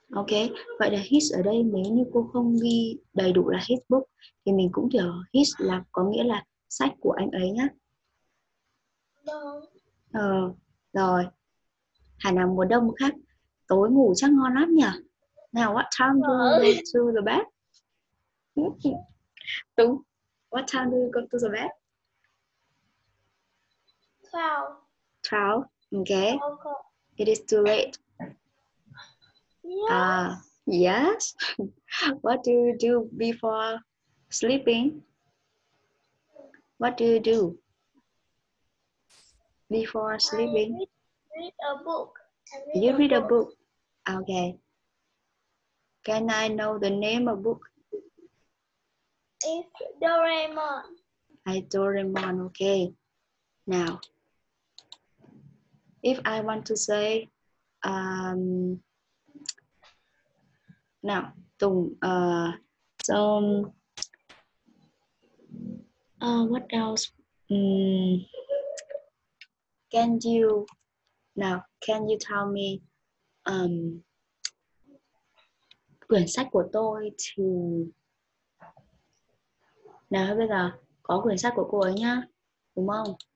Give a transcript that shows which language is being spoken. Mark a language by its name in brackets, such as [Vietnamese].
[Vietnamese] Ok, vậy là his ở đây nếu như cô không ghi đầy đủ là his book thì mình cũng hiểu his là có nghĩa là sách của anh ấy nhá. Ờ, rồi. Hà nào mùa đông khác, tối ngủ chắc ngon lắm nhỉ? [English] Now what time do you go to the bed? [Vietnamese] Đúng. [English] What time do you go to the bed? 12. 12, okay. It is too late. Yes. Yes. What do you do before sleeping? What do you do before sleeping? I read a book. Okay. Can I know the name of book? It's Doraemon. It's Doraemon, okay. Now, if I want to say, now, Tùng, what else? Can you tell me, [Vietnamese] quyển sách của tôi thì, nào bây giờ có quyển sách của cô ấy nhá, đúng không?